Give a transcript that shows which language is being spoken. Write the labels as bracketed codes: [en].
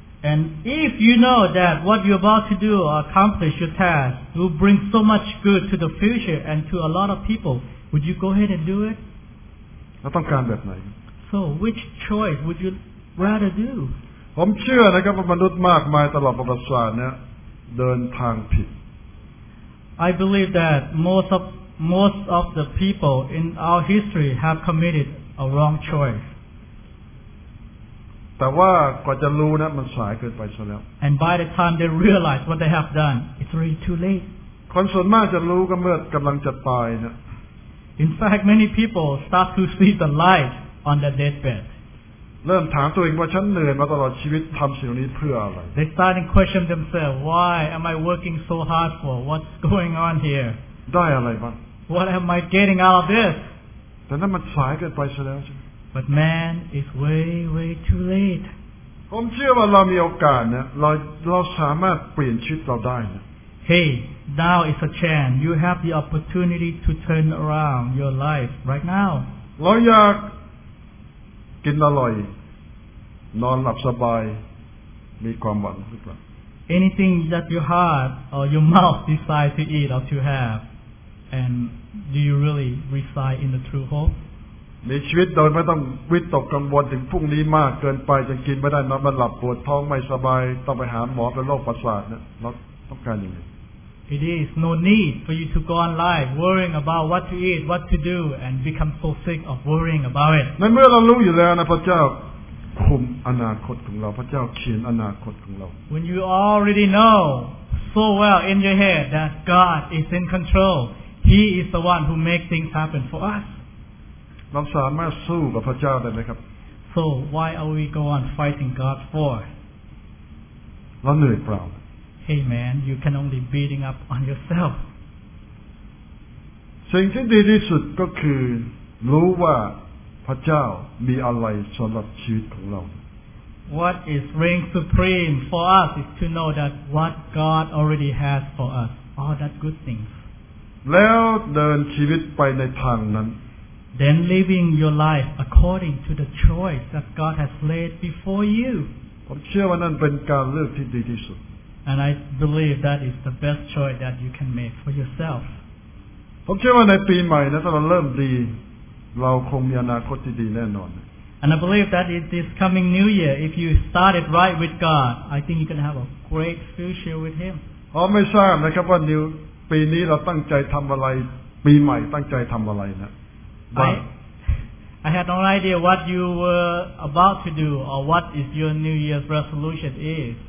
[en] And if you know that what you're about to do or accomplish your task will bring so much good to the future and to a lot of people, would you go ahead and do it? [th] เราต้องการแบบไหน [en] So which choice would you rather do? [th] ผมเชื่อนะครับว่ามนุษย์มากมายตลอดประวัติศาสตร์เนี่ยเดินทางผิด [en] I believe that most of the people in our history have committed a wrong choice. [th] แต่ว่ากว่าจะรู้นะมันสายเกินไปซะแล้ว [en] And by the time they realize what they have done, it's really too late. [th] คนส่วนมากจะรู้ก็เมื่อกำลังจะตายนะ [en] In fact, many people start to see the light on their deathbed. [th] เริ่มถามตัวเองว่าฉันเหนื่อยมาตลอดชีวิตทำสิ่งนี้เพื่ออะไร [en] They start to question themselves, why am I working so hard for? What's going on here? [th] ได้อะไรบ้าง [en] What am I getting out of this? [th] แต่นั่นมันสายเกินไปซะแล้ว [en] But man, it's way, way too late. [th] ผมเชื่อว่าเรามีโอกาสนะเราสามารถเปลี่ยนชีวิตเราได้นะ [en] Hey, now is a chance. You have the opportunity to turn around your life right now. [th] เราอยากกินอร่อยนอนหลับสบายมีความหวังหรือเปล่า [en] Anything that your heart or your mouth decides to eat or to have, and do you really reside in the true hope? [th] มีชีวิตโดยไม่ต้องวิตกกังวลถึงพรุ่งนี้มากเกินไปจนกินไม่ได้นอนไม่หลับปวดท้องไม่สบายต้องไปหาหมอเป็นโรคประสาทเนี่ยเราต้องการยังไง [en] It is no need for you to go on life worrying about what to eat, what to do, and become so sick of worrying about it. [th] ในเมื่อเรารู้อยู่แล้วนะพระเจ้าคุมอนาคตของเราพระเจ้าเขียนอนาคตของเรา [en] When you already know so well in your head that God is in control, He is the one who makes things happen for us. [th] เราสามารถสู้กับพระเจ้าได้ไหมครับ [en] So why are we go on fighting God for? [th] เราเหนื่อยเปล่า [en] Hey man, you can only beating up on yourself. [th] สิ่งที่ดีที่สุดก็คือรู้ว่าพระเจ้ามีอะไรสำหรับชีวิตของเรา [en] What is reign supreme for us is to know that what God already has for us all that good things [th] แล้วเดินชีวิตไปในทางนั้น [en] Then living your life according to the choice that God has laid before you [th] ผมเชื่อว่านั่นเป็นการเลือกที่ดีที่สุด [en] And I believe that is the best choice that you can make for yourself [th] ผมเชื่อว่าในปีใหม่นะถ้าเราเริ่มดีเราคงมีอนาคตที่ดีแน่นอน [en] And I believe that in this coming new year if you started right with God I think you're going to have a great future with him [th] ผมไม่ทราบนะครับว่าปีนี้เราตั้งใจทำอะไรปีใหม่ตั้งใจทำอะไรนะ [en] I had no idea what you were about to do or what is your new year's resolution is